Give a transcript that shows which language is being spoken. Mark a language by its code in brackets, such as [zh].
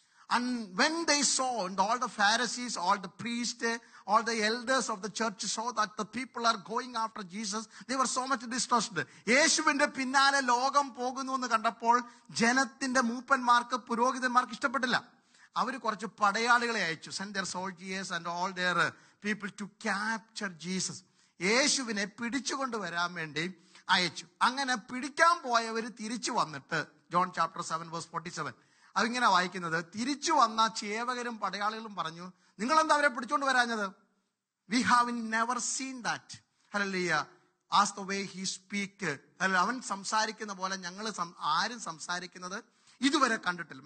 [en] And when they saw, and all the Pharisees, all the priests, all the elders of the church saw that the people are going after Jesus, they were so much distressed. [ml] യേശുവിന്റെ പിന്നാലെ ലോകം പോകുന്നു എന്ന് കണ്ടപ്പോൾ ജനത്തിന്റെ മൂപ്പന്മാർക്ക് പുരോഹിതന്മാർക്ക് ഇഷ്ടപ്പെട്ടില്ല. അവർ കുറച്ച് പടയാളികളെ അയച്ചു, [en] send their soldiers and all their people to capture Jesus. [ml] യേശുവിനെ പിടിച്ചുകൊണ്ട് വരാൻ വേണ്ടി അയച്ചു. അങ്ങനെ പിടിക്കാൻ പോയവർ തിരിച്ചു വന്നിട്ട് ജോൺ ചാപ്റ്റർ 7:47 അതിങ്ങനെ വായിക്കുന്നത്, തിരിച്ചു വന്ന ചേവകരും പടയാളികളും പറഞ്ഞു, നിങ്ങൾ എന്താ അവരെ പിടിച്ചുകൊണ്ട് വരാഞ്ഞത്? [en] We have never seen that. Hallelujah, as the way he speak, [ml] അവൻ സംസാരിക്കുന്ന പോലെ ഞങ്ങൾ ആരും സംസാരിക്കുന്നത് ഇതുവരെ കണ്ടിട്ടില്ല.